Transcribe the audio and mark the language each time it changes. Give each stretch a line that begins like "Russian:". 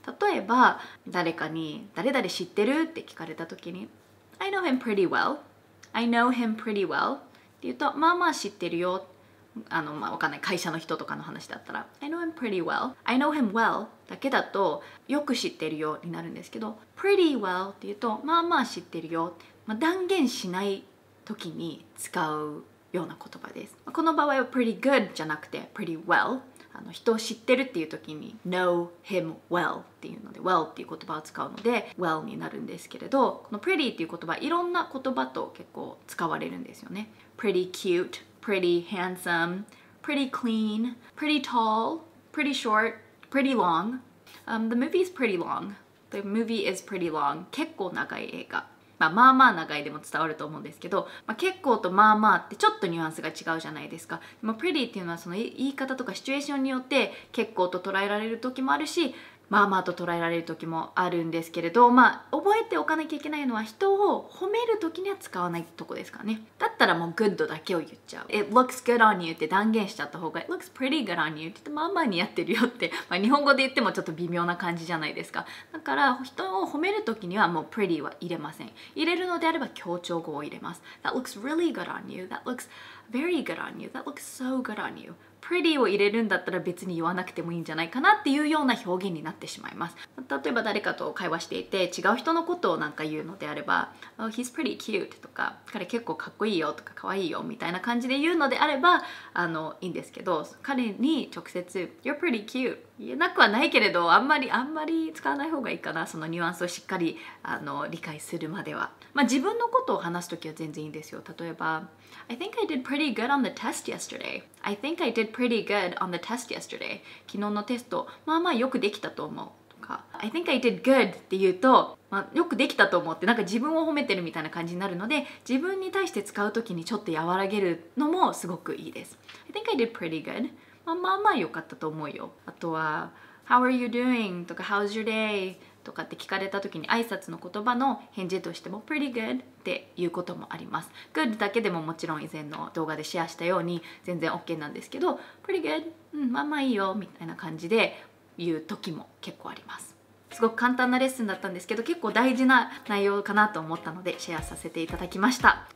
Japanese: 例えば誰かに誰々知ってるって聞かれた時に
English: I know him pretty well、
Japanese: I know him pretty well って言うと、まあまあ知ってるよ、わかんない、会社の人とかの話だったら I know him pretty well、
English: I know him well
Japanese: だけだとよく知ってるよになるんですけど、 pretty well っていうとまあまあ知ってるよ、断言しない時に使うような言葉です。この場合は pretty good じゃなくて pretty well、 人を知ってるっていう時に
English: know him well
Japanese: っていうので well っていう言葉を使うので well になるんですけれど、この pretty っていう言葉、いろんな言葉と結構使われるんですよね。
English: pretty cutePretty handsome, pretty clean, pretty tall, pretty short, pretty long. The movie is pretty long. The movie is pretty long.
Japanese: 結構長い映画。まあまあ長いでも伝わると思うんですけど、結構とまあまあってちょっとニュアンスが違うじゃないですか。でも pretty っていうのはその言い方とかシチュエーションによって結構と捉えられる時もあるし、まあまあと捉えられる時もあるんですけれど、覚えておかなきゃいけないのは、人を褒める時には使わないとこですかね。だったらもう good だけを言っちゃう。
English: It looks good on you
Japanese: って断言しちゃった方が、
English: It looks pretty good on you
Japanese: って言って、まあまあ似合ってるよって、日本語で言ってもちょっと微妙な感じじゃないですか。だから人を褒める時にはもう pretty は入れません。入れるのであれば強調語を入れます。
English: That looks really good on you. That looks very good on you. That looks so good on you.
Japanese: Pretty を入れるんだったら別に言わなくてもいいんじゃないかなっていうような表現になってしまいます。例えば誰かと会話していて違う人のことをなんか言うのであれば、
English: oh, He's pretty cute
Japanese: とか、彼結構かっこいいよとか可愛いよみたいな感じで言うのであればいいんですけど、彼に直接
English: You're pretty cute
Japanese: 言えなくはないけれど、あんまり使わない方がいいかな。そのニュアンスをしっかり理解するまでは、自分のことを話すときは全然いいんですよ。
English: 例えば I think I did pretty good on the test yesterday. I think I did pretty good on the test yesterday.
Japanese: 昨日のテスト、まあまあよくできたと思うとか、
English: I think I did good
Japanese: って言うと、よくできたと思って、なんか自分を褒めてるみたいな感じになるので、自分に対して使うときにちょっと和らげるのもすごくいいです。
English: I think I did pretty good.
Japanese: まあまあ良かったと思うよ。
English: あとは How are you doing? とか How's your day?
Japanese: とかって聞かれた時に挨拶の言葉の返事としても Pretty good っていうこともあります。 Good だけでももちろん以前の動画でシェアしたように全然 OK なんですけど、 Pretty good、まあまあいいよみたいな感じで言う時も結構あります。すごく簡単なレッスンだったんですけど、結構大事な内容かなと思ったのでシェアさせていただきました。